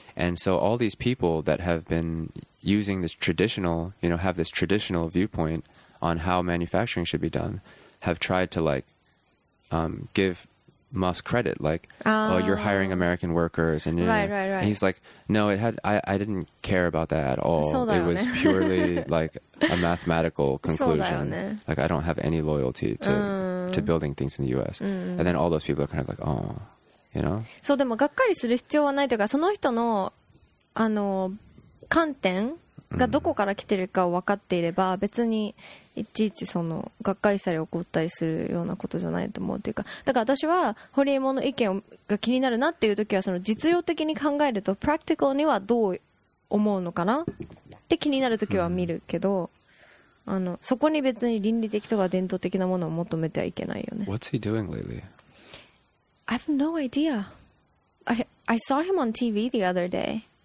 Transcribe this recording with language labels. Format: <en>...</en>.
<en>And so all these people that have been using this traditional, you know, have this traditional viewpoint on how manufacturing should be done, have tried to like, give Musk credit, like, oh, you're hiring American workers, and, right, right, right. and he's like, no, it had. I didn't care about that at all. So it was purely like a mathematical conclusion. So like, I don't have any loyalty to building things in the U.S. Mm. And then all those people are kind of like, oh, you know.</en> <ja>So, でもがっかりする必要はないというか、その人のあの観点がどこから来てるかを分かっていれば、別にいちいちそのがっかりしたり怒ったりするようなことじゃないと思うっていうか、だから私はホリエモンの意見が気になるなっていう時は、その実用的に考えるとプラクティカルにはどう思うのかなって気になる時は見るけど、あのそこに別に倫理的とか伝統的なものを求めてはいけないよね。</ja> <en>What's he doing lately? I have no idea. I saw him on TV the other day.</en>